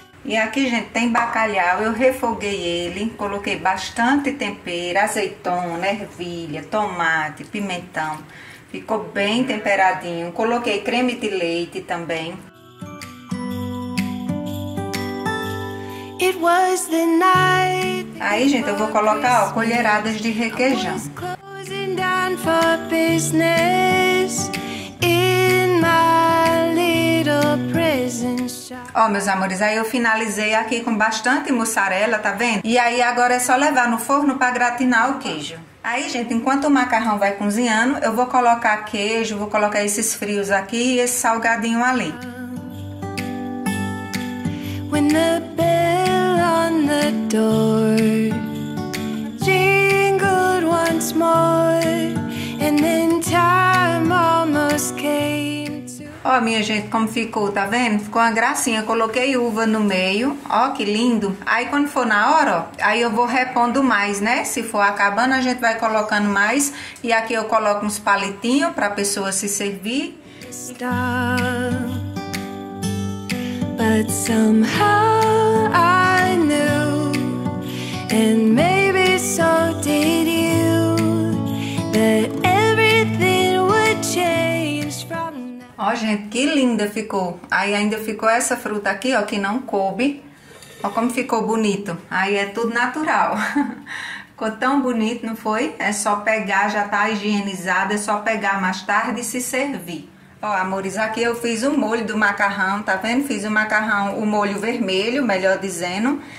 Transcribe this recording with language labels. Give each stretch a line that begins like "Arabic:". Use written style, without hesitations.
Portuguese: E aqui, gente, tem bacalhau, eu refoguei ele, coloquei bastante tempero, azeitona, ervilha, tomate, pimentão. Ficou bem temperadinho. Coloquei creme de leite também.
English: It was the night.
Portuguese: Aí, gente, eu vou colocar, ó, colheradas de requeijão.
English: Closing down for business in my little prison.
Portuguese: Ó, meus amores, aí eu finalizei aqui com bastante mussarela, tá vendo? E aí agora é só levar no forno pra gratinar o queijo. Aí, gente, enquanto o macarrão vai cozinhando, eu vou colocar queijo, vou colocar esses frios aqui e esse salgadinho ali.
English: When the bell on the door jingled once more, and then time almost came.
Portuguese: Ó, minha gente, como ficou, tá vendo? Ficou uma gracinha. Coloquei uva no meio. Ó, que lindo. Aí, quando for na hora, ó, aí eu vou repondo mais, né? Se for acabando, a gente vai colocando mais. E aqui eu coloco uns palitinhos pra pessoa se servir.
English: Star, but somehow I knew, and maybe so did you, that everything would change.
Portuguese: Ó, gente, que linda ficou. Aí ainda ficou essa fruta aqui, ó, que não coube. Ó como ficou bonito. Aí é tudo natural. Ficou tão bonito, não foi? É só pegar, já tá higienizado, é só pegar mais tarde e se servir. Ó, amores, aqui eu fiz o molho do macarrão, tá vendo? Fiz o macarrão, o molho vermelho, melhor dizendo.